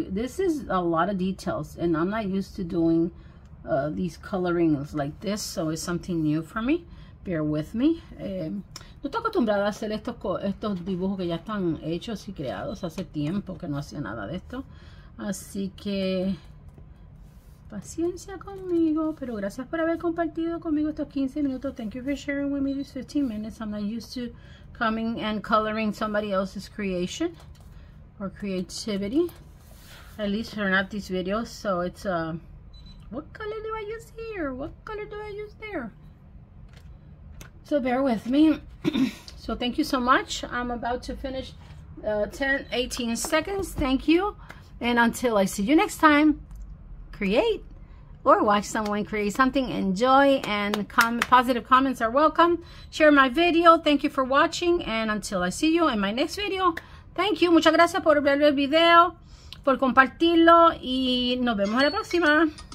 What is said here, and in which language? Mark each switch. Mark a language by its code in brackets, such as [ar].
[en] This is a lot of details, and I'm not used to doing these colorings like this, so it's something new for me. Bear with me. [es] No estoy acostumbrada a hacer estos dibujos que ya están hechos y creados. Hace tiempo que no hacía nada de esto. Así que paciencia conmigo, pero gracias por haber compartido conmigo estos 15 minutos. [en] Thank you for sharing with me these 15 minutes. I'm not used to coming and coloring somebody else's creation or creativity. At least turn out these videos. So it's what color do I use here? What color do I use there? So bear with me. So thank you so much. I'm about to finish 10, 18 seconds. Thank you. And until I see you next time. create or watch someone create something. Enjoy, and positive comments are welcome. Share my video. Thank you for watching, and until I see you in my next video, thank you. [es] Muchas gracias por ver el video, por compartirlo, y nos vemos en la próxima.